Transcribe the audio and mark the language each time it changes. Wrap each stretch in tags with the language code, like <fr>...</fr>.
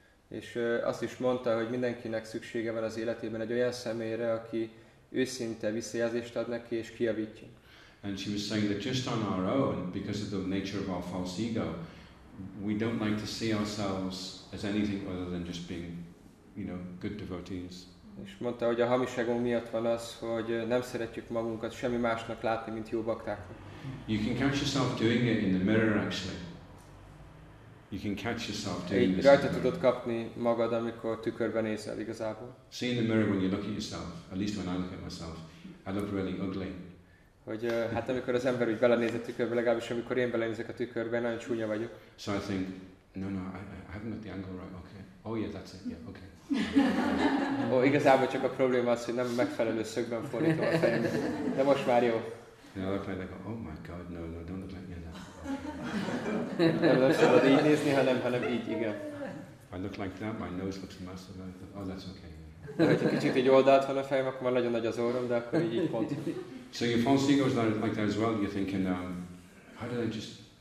<hu>És azt is mondta, hogy mindenkinek szüksége van az életében egy olyan személyre, aki őszinte visszajelzést ad neki és kijavítja.</hu> <en>And she was saying that just on our own, because of the nature of our false ego, we don't like to see ourselves as anything other than just being, you know, good devotees.</en> <hu>És mondta, hogy a hamiságunk miatt van az, hogy nem szeretjük magunkat semmi másnak látni, mint jó baktáknak.</hu> <en>You can catch yourself doing it in the mirror actually. You can catch yourself doing this.</en> <hu>Rajta tudod kapni magad, amikor tükörben nézel igazából.</hu> <en>See in the mirror when you look at yourself, at least when I look at myself, I look really ugly.</en> <hu>Hogy hát amikor az ember úgy belenéz a tükörbe, legalábbis amikor én belenézek a tükörbe, nagyon csúnya vagyok.</hu> <en>So I think, no, I haven't got the angle right, okay. Oh yeah, that's it, yeah, okay.</en> <hu>Ó, igazából csak a probléma az, hogy nem megfelelő szögben fordítom a fejem. De most már jó.</hu> <en>And I look like, oh my god, no, don't look like me that.</en> <hu>Nem lesz szabad így nézni, hanem így, igen.</hu> <en>I look like that, my nose looks massive, oh, that's okay.</en> <hu>Ha egy kicsit így oldalt van a fejem, akkor már nagyon nagy az orrom, de akkor így pont.</hu> <en>So your false ego is like that as well. You're thinking, how did I just?</en>